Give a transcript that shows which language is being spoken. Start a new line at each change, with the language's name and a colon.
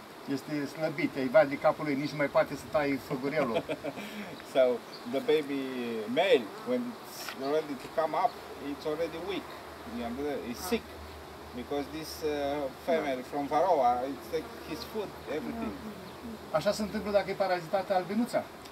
Romanian: Este slăbit, îi vad de capul lui, nici nu mai poate să taie făgurelul.
English: So, the baby male, when it's ready to come up, it's already weak. It's sick. Because this female from varroa, it's like his food, everything.
Romanian: Așa se întâmplă dacă e parazitată albinuța.